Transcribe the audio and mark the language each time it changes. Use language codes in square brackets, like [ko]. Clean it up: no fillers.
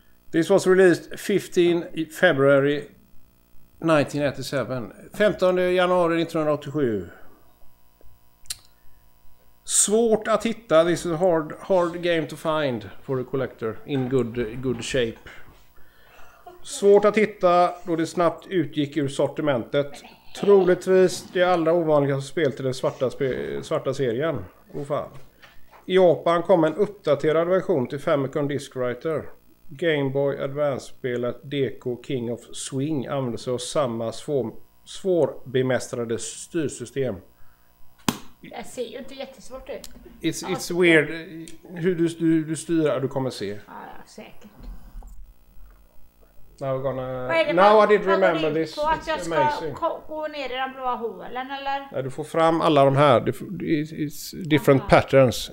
[en] This was released 15 February 1987. [sv] 15 januari 1987. Svårt att hitta. [en] This is a hard game to find for a collector in good shape. [sv] Svårt att hitta då det snabbt utgick ur sortimentet. Troligtvis det allra ovanligaste spel till den svarta serien. Oh fan. I Japan kom en uppdaterad version till Famicom Disk Writer. Game Boy Advance-spelet DK King of Swing använde sig av samma svårbemästrade styrsystem. Det ser ju inte jättesvårt ut. [en] It's weird [sv] hur du styr, du kommer se. Ja, säkert. [en] Now I did remember this. [sv] På att jag ska gå ner i den blåa hålen eller? Nej, du får fram alla de här. [en] It's different patterns.